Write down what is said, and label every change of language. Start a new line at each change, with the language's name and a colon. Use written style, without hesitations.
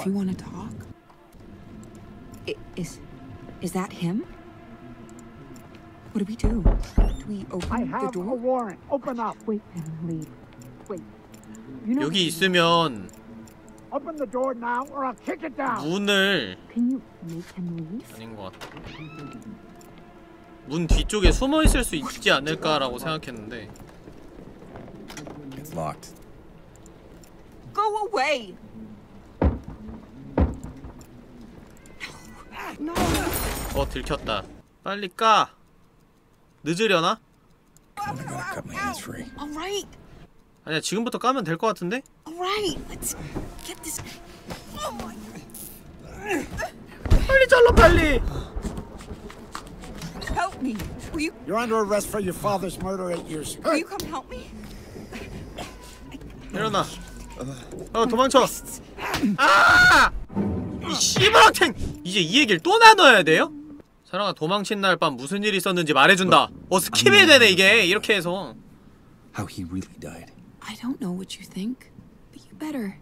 English: If you want to talk, is that him? What do we do? Do we open the door? I have a warrant. Open up. Wait, Emily. Wait. You know.
Korean: 여기 있으면.
English: Open the door now, or I'll kick it down.
Korean: 문을.
English: Can you make him leave?
Korean: 아닌 것 같아. 문 뒤쪽에 숨어 있을 수 있지 않을까라고 생각했는데.
English: It's locked. Go away. No.
Korean: 어 들켰다. 빨리 까. 늦으려나?
English: I'm gonna cut my hands free. All right.
Korean: 아니야 지금부터 까면 될 것 같은데?
English: All right. Let's get this. Oh my.
Korean: 빨리 잘라 빨리.
English: Help me. Will you? You're under arrest for your father's murder 8 years. Will you come help me?
Korean: 일어나. 어 도망쳐. 아! 이 씨발한 이제 이 얘기를 또 나눠야 돼요? 사랑아 도망친 날 밤 무슨 일이 있었는지 말해준다. 어 스킵해야 되네 이게 이렇게 해서.
English: How he really died. I don't know what you think, but you better.